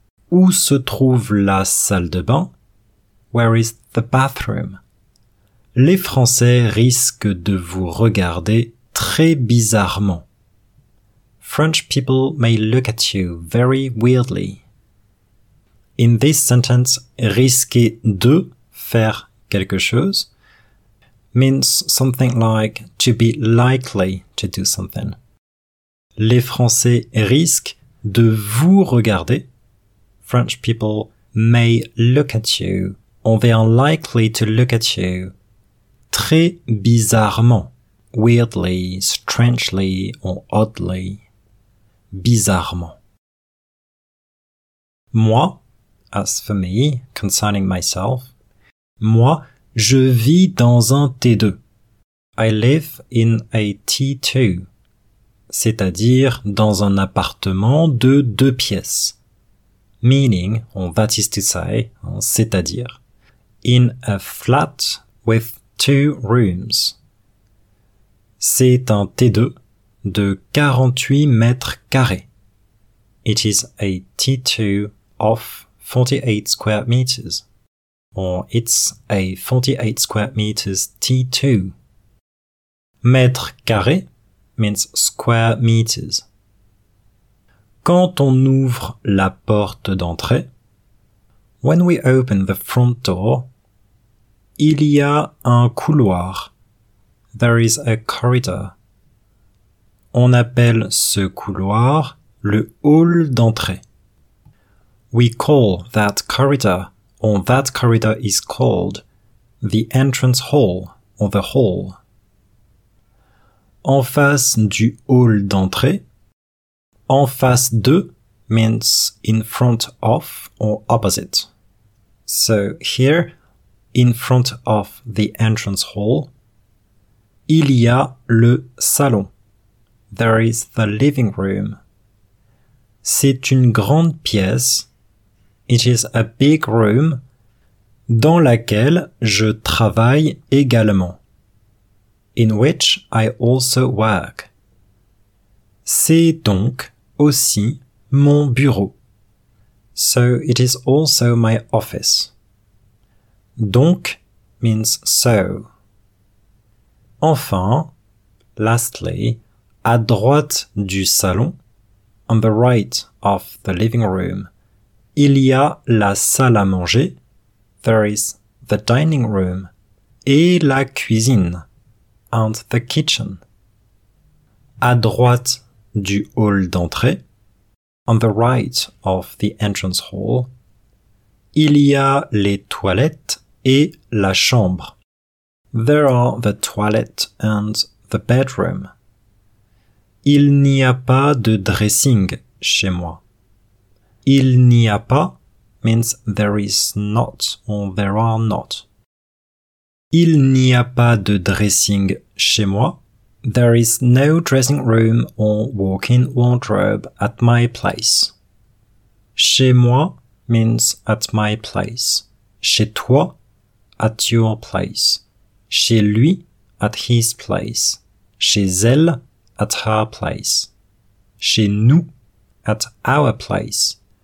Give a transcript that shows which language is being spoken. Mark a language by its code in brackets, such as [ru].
[fr] Où se trouve la salle de bain? [en] Where is the bathroom? [fr] Les Français risquent de vous regarder très bizarrement. [en] French people may look at you very weirdly. In this sentence, [fr] risquer de faire quelque chose [en] means something like to be likely to do something. [fr] Les Français risquent de vous regarder. [en] French people may look at you, or they are likely to look at you, [fr] très bizarrement, [en] weirdly, strangely, or oddly, [fr] bizarrement. Moi, [en] as for me, concerning myself, [fr] moi, je vis dans un T2. [en] I live in a T2, [fr] c'est-à-dire dans un appartement de deux pièces. [en] Meaning, or that is to say, [fr] c'est-à-dire, [en] in a flat with two rooms. [fr] C'est un T2 de 48 mètres carrés. [en] It is a T2 of 48 square meters. Or it's a 48 square meters T2. [fr] Mètre carré [en] means square meters. [fr] Quand on ouvre la porte d'entrée, [en] when we open the front door, [fr] il y a un couloir. [en] There is a corridor. [fr] On appelle ce couloir le hall d'entrée. [en] We call that corridor, or that corridor is called the entrance hall, or the hall. [fr] En face du hall d'entrée, en face de [en] means in front of or opposite. So here, in front of the entrance hall, [fr] il y a le salon. [en] There is the living room. [fr] C'est une grande pièce. [en] It is a big room [fr] dans laquelle je travaille également. [en] In which I also work. [fr] C'est donc aussi mon bureau. [en] So it is also my office. Donc means so. [fr] Enfin, [en] lastly, [fr] à droite du salon, [en] on the right of the living room, [fr] il y a la salle à manger, [en] there is the dining room, [fr] et la cuisine, [en] and the kitchen. [fr] À droite du hall d'entrée, [en] on the right of the entrance hall, [fr] il y a les toilettes et la chambre. [en] There are the toilet and the bedroom. [fr] Il n'y a pas de dressing chez moi. Il n'y a pas [en] means there is not or there are not. [fr] Il n'y a pas de dressing chez moi. [en] There is no dressing room or walk-in wardrobe at my place. [fr] Chez moi [en] means at my place. [fr] Chez toi, [en] at your place. [fr] Chez lui, [en] at his place. [fr] Chez elle, [en] at her place. [fr] Chez nous, [en] at our place.